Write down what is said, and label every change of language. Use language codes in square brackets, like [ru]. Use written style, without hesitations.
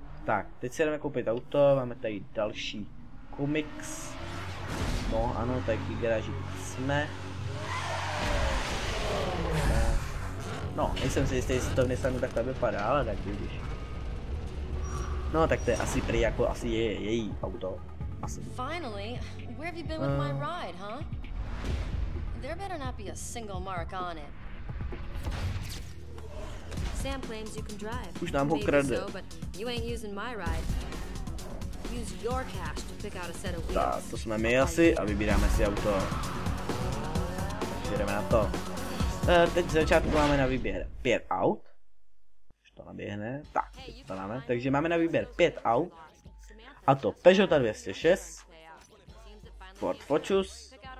[cs] Tak, teď si jdeme koupit auto, máme tady další komiks. No ano, tady v garáži jsme. No, nejsem si jistý, jestli to v Nissanu takhle vypadá, ale tak vidíš. No, tak to je asi prý jako asi je její auto. Asi. [en] Finally, where have you been with my ride, huh? There better not be a single mark on it. Sam claims you can drive. [cs] Už nám ho krade. [en] So, but you ain't using my ride. Use your cash to pick out a set of wheels. [cs] Tak, to jsme my asi a vybíráme si auto. Jdeme na to. Teď z začátku máme na výběr 5 aut. To naběhne. Tak, to máme. Takže máme na výběr 5 aut. A to Peugeot 206. Ford Focus.